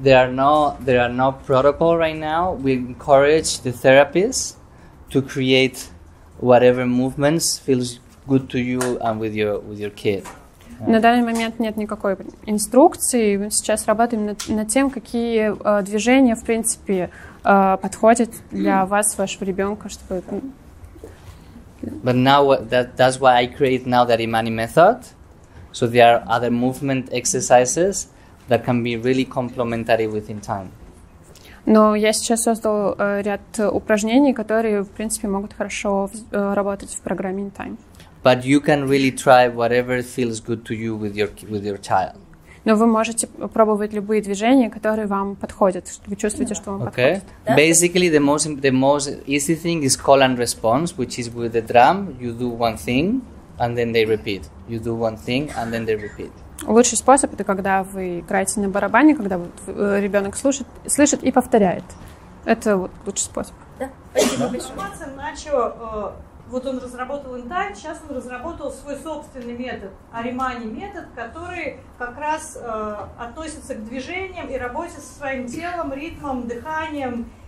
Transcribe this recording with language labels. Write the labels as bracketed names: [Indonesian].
[English] There are no protocol right now. We encourage the therapists to create whatever movements feels good to you and with your kid. [Russian] На данный момент нет никакой инструкции. Мы сейчас работаем над тем, какие движения, в принципе, подходят для вас, вашего ребенка, чтобы. [English] But now that's why I create now the Arimany method. So there are other movement exercises that can be really complementary within time. [Russian] Но я сейчас создал ряд упражнений, которые, в принципе, могут хорошо работать в программе in time. [English] But you can really try whatever feels good to you with your child. [Russian] Но вы можете пробовать любые движения, которые вам подходят. Вы чувствуете, что вам подходит? [English] Okay. Yeah. Basically, the most easy thing is call and response, which is with the drum. You do one thing, and then they repeat. You do one thing, and then they repeat. [Russian] Лучший способ — это когда вы играете на барабане, когда ребенок слышит и повторяет. Это вот лучший способ. Да. Спасибо большое. Начало. Вот он разработал интайм, сейчас он разработал свой собственный метод, Аримани метод, который как раз относится к движениям и работе со своим телом, ритмом, дыханием.